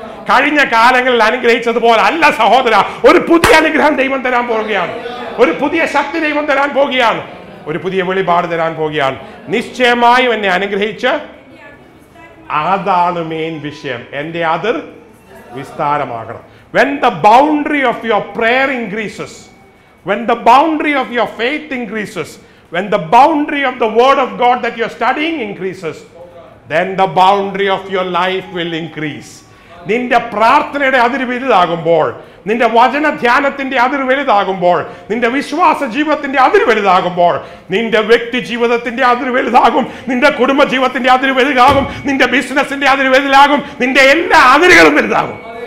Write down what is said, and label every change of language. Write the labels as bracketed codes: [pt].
[ml] കഴിഞ്ഞ കാലങ്ങളിൽ അനുഗ്രഹിച്ചതുപോലെ അല്ല സഹോദര, ഒരു പുതിയ അനുഗ്രഹം ദൈവം തരാൻ പോവുകയാണ്. ഒരു പുതിയ ശക്തി ദൈവം തരാൻ പോവുകയാണ്. ഒരു പുതിയ വെളിപാട് തരാൻ പോവുകയാണ്. നിശ്ചയമായും എന്നെ അനുഗ്രഹിച്ച്, അതാണ് മെയിൻ വിഷയം. എന്റെ അതിർ വിസ്താരമാകണം. [en] When the boundary of your prayer increases, when the boundary of your faith increases, when the boundary of the word of God that you are studying increases, then the boundary of your life will increase. [ml] നിന്റെ പ്രാർത്ഥനയുടെ അതിര് വലുതാകുമ്പോൾ, നിന്റെ വചന ധ്യാനത്തിന്റെ അതിര് വലുതാകുമ്പോൾ, നിന്റെ വിശ്വാസ ജീവിതത്തിന്റെ അതിര് വലുതാകുമ്പോൾ, നിന്റെ വ്യക്തി ജീവിതത്തിന്റെ അതിര് വലുതാകും, നിന്റെ കുടുംബ ജീവിതത്തിന്റെ അതിര് വലുതാകും, നിന്റെ ബിസിനസിന്റെ അതിര് വലുതാകും, നിന്റെ എല്ലാ അതിരുകളും വലുതാകും.